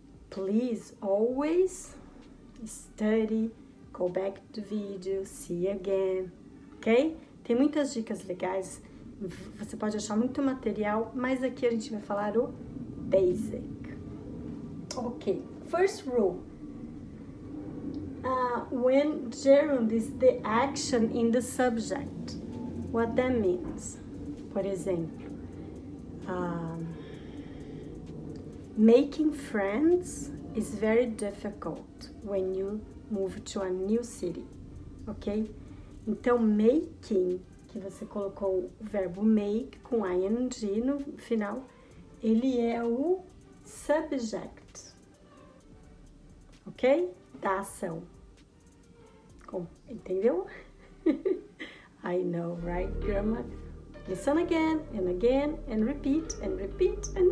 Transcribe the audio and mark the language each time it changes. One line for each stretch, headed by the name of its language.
English: Please always study, go back to the video, see again, ok?
Portuguese: Tem muitas dicas legais, você pode achar muito material, mas aqui a gente vai falar o basic.
English: Ok, first rule. When gerund is the action in the subject, what that means?
Portuguese: Por exemplo,
English: making friends is very difficult when you move to a new city, ok?
Portuguese: Então, making, que você colocou o verbo make com ing no final, ele é o subject, ok? Da ação. Entendeu?
English: I know, right, grandma? Listen again, and repeat, and repeat.